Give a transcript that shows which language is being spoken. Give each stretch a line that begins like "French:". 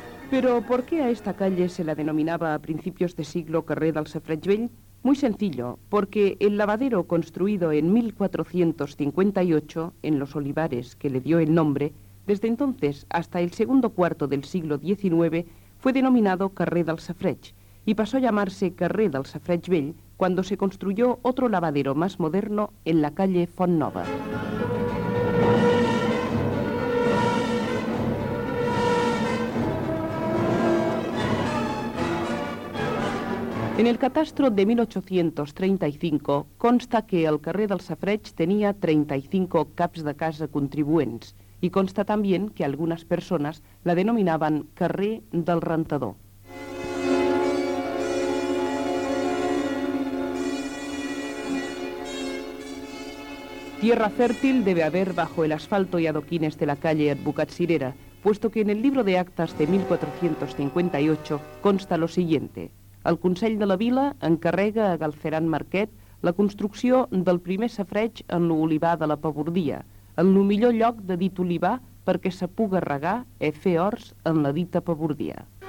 Catalan: Però per què
Spanish: a esta calle se la denominava a principios de siglo carrer del Safareig Vell? Muy sencillo, porque el lavadero construido en 1458 en los olivares que le dio el nombre, desde entonces hasta el segundo cuarto del siglo XIX, fue denominado Carrer del Safareig y pasó a llamarse Carrer del Safareig Vell cuando se construyó otro lavadero más moderno en la calle Font Nova. En el catastro de 1835 consta que el carrer del Safareig tenía 35
Catalan: caps de casa contribuents
Spanish: y consta también que algunas personas la denominaban carrer del rentador. Tierra fértil debe haber bajo el asfalto y adoquines de la calle Advocat Cirera, puesto que en el libro de actas de 1458 consta lo siguiente.
Catalan: El Consell de la Vila encarrega a Galceran Marquet la construcció del primer safareig en l'olivar de la Pabordia, en el millor lloc de dit olivar perquè se puga regar i fer horts en la dita Pabordia.